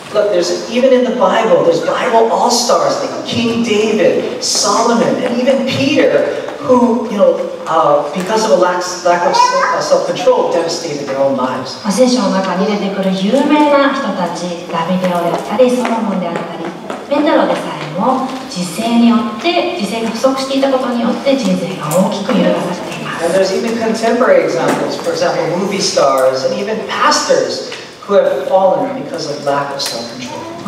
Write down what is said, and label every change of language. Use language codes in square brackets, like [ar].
[en] Look, there's even in the Bible, there's Bible all-stars like King David, Solomon, and even Peter, who, you know, because of a lack of self-control, devastated their own lives. [ja] 聖書の中に出てくる有名な人たち、ダビデであったり、ソロモンであったり、ペテロでさえも 自制によって、自制が不足していたことによって人生が大きく揺らされています。 [en] There's even contemporary examples, for example, movie stars and even pastors who have fallen because of lack of self-control.